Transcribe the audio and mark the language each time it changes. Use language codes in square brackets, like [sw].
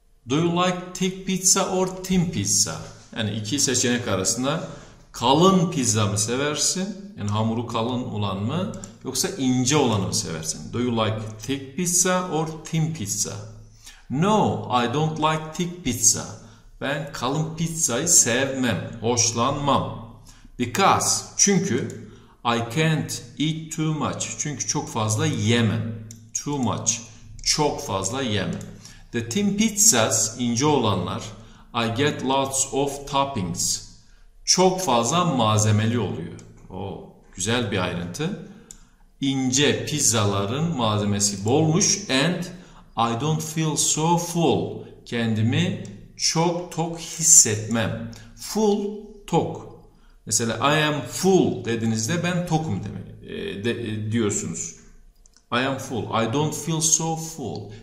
[en] Do you like thick pizza or thin pizza? [tr] Yani iki seçenek arasında kalın pizza mı seversin? Yani hamuru kalın olan mı? Yoksa ince olanı mı seversin? [en] Do you like thick pizza or thin pizza? No, I don't like thick pizza. [tr] Ben kalın pizzayı sevmem, hoşlanmam. [en] Because, [tr] çünkü [en] I can't eat too much. [tr] Çünkü çok fazla yemem. [en] Too much, [tr] çok fazla yemem. [en] The thin pizzas, [tr] ince olanlar, [en] I get lots of toppings. [tr] Çok fazla malzemeli oluyor. O güzel bir ayrıntı. İnce pizzaların malzemesi bolmuş [en] and I don't feel so full. [tr] Kendimi çok tok hissetmem. Full, tok. Mesela [en] I am full [tr] dediğinizde ben tokum demek diyorsunuz. [en] I am full. I don't feel so full.